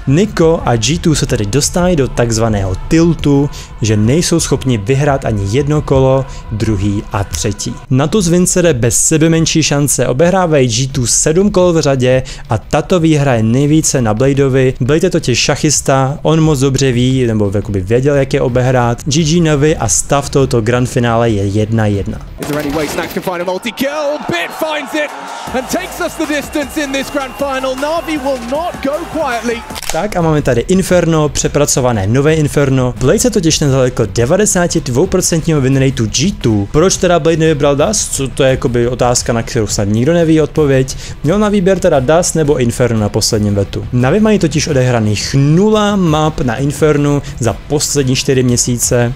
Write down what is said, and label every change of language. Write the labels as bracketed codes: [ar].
[cs] Nico a G2 se tady dostávají do takzvaného tiltu, že nejsou schopni vyhrát ani jedno kolo, druhý a třetí. Na to z Vincere bez sebemenší šance obehrávají G2 sedm kol v řadě a tato výhra je nejvíce na Bladeovi. Blade je totiž šachista, on moc dobře ví, nebo jakoby věděl, jak je obehrát. GG Navi a stav tohoto grand finále je 1-1. [en] Is there any way Snacks can find a multi-kill? Bit finds it and takes us the distance in this grand final. Navi will not go quietly. [cs] Tak a máme tady Inferno, přepracované nové Inferno. Blade se totiž nezalekl 92% win rateu G2. Proč teda Blade nevybral Dust? Co to je jakoby otázka, na kterou snad nikdo neví odpověď. Měl na výběr teda Dust nebo Inferno na posledním vetu. Navi mají totiž odehraných 0 map na Infernu za poslední 4 měsíce.